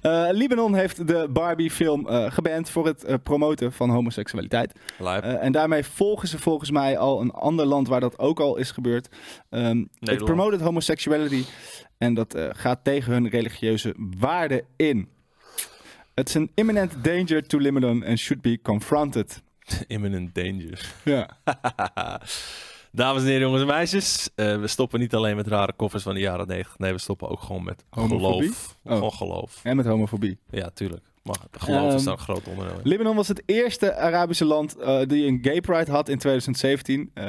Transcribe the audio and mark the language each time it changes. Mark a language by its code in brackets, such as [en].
[nl] Libanon heeft de Barbie-film geband voor het promoten van homoseksualiteit. En daarmee volgen ze volgens mij al een ander land waar dat ook al is gebeurd. Het promoted homosexuality. En dat gaat tegen hun religieuze waarden in. [en] It's an imminent danger to Libanon and should be confronted. Imminent danger. [nl] Ja. Dames en heren, jongens en meisjes, we stoppen niet alleen met rare koffers van de jaren 90. Nee, we stoppen ook gewoon met homofobie? Geloof. Gewoon geloof. En met homofobie. Ja, tuurlijk. Maar geloof is daar een groot onderdeel. Libanon was het eerste Arabische land die een gay pride had in 2017.